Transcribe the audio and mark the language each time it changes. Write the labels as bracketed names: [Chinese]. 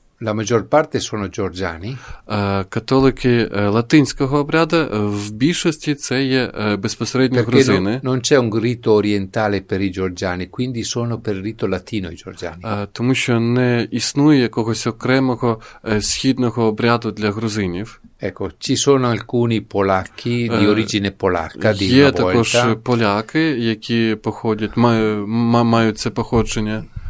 [Italian] La maggior parte sono georgiani. [Ukrainian] Католики латинського обряду в більшості це є безпосередньо грузини. [Italian] Non c'è un rito orientale per i georgiani, quindi sono per rito latino i georgiani. [Ukrainian] Тому що не існує якогось окремого східного обряду для грузинів. [Italian] Ecco, ci sono alcuni polacchi di origine polacca di [Ukrainian] Є також поляки, які походять, мають це походження.